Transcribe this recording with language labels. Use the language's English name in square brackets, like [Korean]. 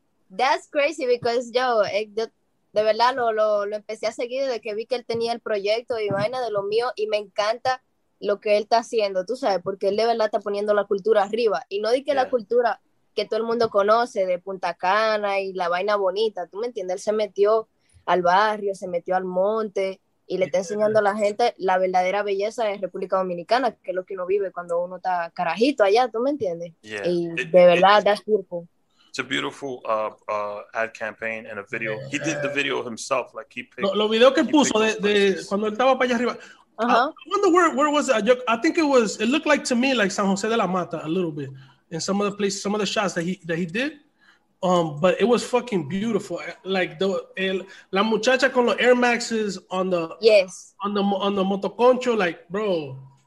[English] That's crazy because, yo, [Spanish] de verdad, lo empecé a seguir desde que vi que él tenía el proyecto y vaina de lo mío y me encanta lo que él está haciendo, tú sabes, porque él de verdad está poniendo la cultura arriba, y no di que la cultura que todo el mundo conoce de Punta Cana y la vaina bonita, tú me entiendes, él se metió al barrio, se metió al monte y le está enseñando a la gente la verdadera belleza de República Dominicana, que es lo que uno vive cuando uno está carajito allá, tú me entiendes, y de verdad [English] that's beautiful. It's a beautiful ad campaign and a video. He did the video himself, like he picked [Spanish] lo video que puso de cuando él estaba para allá arriba. Uh-huh. [English] I wonder where was it? I think it was. It looked like to me like San Jose de la Mata a little bit, in some of the places, some of the shots that he did. But it was fucking beautiful. Like [Spanish] la muchacha con los [English] Air Maxes on the on the motoconcho, like bro.